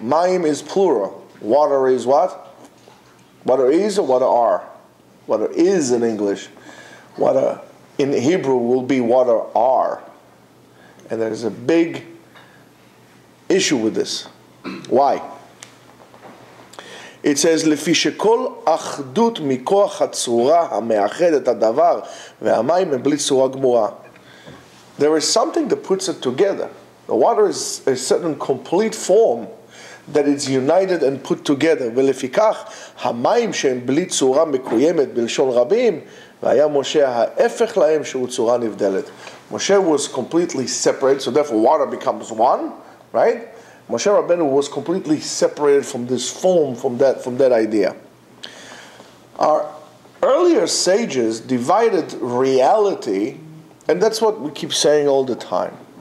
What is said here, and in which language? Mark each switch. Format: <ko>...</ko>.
<en>Ma'im is plural. Water is what? Water is or water are? Water is in English. Water in Hebrew will be water are. And there's a big issue with this. Why? It says,</en> <he>לפי שכל אחדות מכוח הצורה המאחדת הדבר והמים הם בלי צורה גמורה.</he> <en>There is something that puts it together. The water is a certain complete form that is united and put together.</en> <he>ולפיכך, המים שהם בלי צורה מקוימת בלשון רבים, והיה משה ההפך להם שהוא צורה נבדלת.</he> <en>Moshe was completely separate, so therefore water becomes one, right? Moshe Rabbeinu was completely separated from this form, from that idea. Our earlier sages divided reality, and that's what we keep saying all the time.</en>